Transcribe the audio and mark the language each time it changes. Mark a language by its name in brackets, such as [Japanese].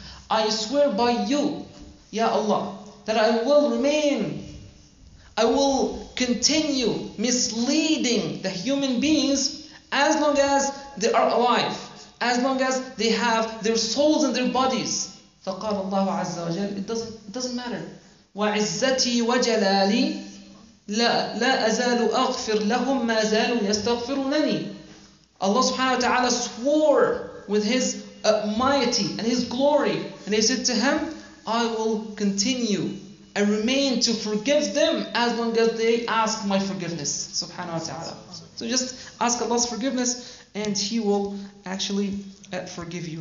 [English] I swear by you, Ya Allah, that I will remain, I will continue misleading the human beings as long as they are alive, as long as they have their souls and their bodies. [Arabic] فقال الله عز وجل, [English] it doesn't matter. [Arabic] وعزتي وجلالي لا أزال أغفر لهم ما زالوا يستغفرونني. [English] Allah subhanahu wa ta'ala swore with his mighty and his glory, and he said to him, I will continue and remain to forgive them as long as they ask my forgiveness, subhanahu wa ta'ala. So just ask Allah's forgiveness and he will actually forgive you.